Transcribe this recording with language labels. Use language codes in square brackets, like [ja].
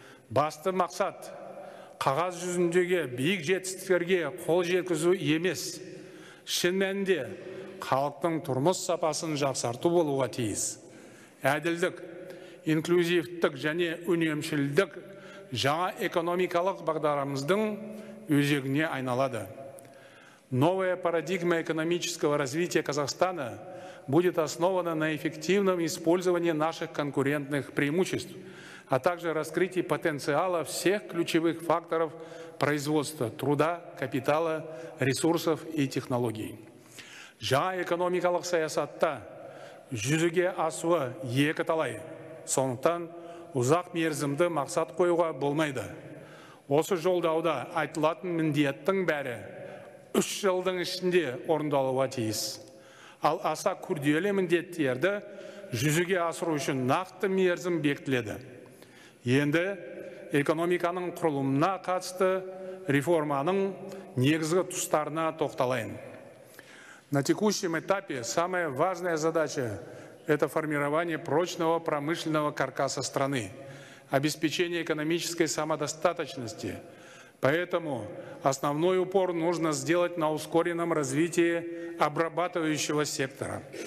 [kk] Басты мақсат қағаз жүзіндегі биік жетістіктерге қол жеткізу емес, шын мәнінде халықтың тұрмыс сапасын жақсарту болуға тиіс. Әділдік, инклюзивтік және үнемшілдік жаңа экономикалық бағдарымыздың өзегіне айналады. [ru] Новая парадигма экономического развития Казахстана будет основана на эффективном использовании наших конкурентных преимуществ, а также раскрытие потенциала всех ключевых факторов производства, труда, капитала, ресурсов и технологий. [kk] Жаңа экономикалық саясатта жүзеге асуы екі талай, сондықтан ұзақ мерзімді мақсат қоюға болмайды. Осы жолдауда айтылатын міндеттің бәрі үш жылдың ішінде орындалуға тиіс. Ал аса күрделі міндеттерді жүзеге асыру үшін нақты мерзім бекітіледі. Енді экономиканың құрылымына қатысты реформаның негізгі тұстарына тоқталайын. [ru] На текущем этапе самая важная задача – это формирование прочного промышленного каркаса страны, обеспечение экономической самодостаточности. Поэтому основной упор нужно сделать на ускоренном развитии обрабатывающего сектора.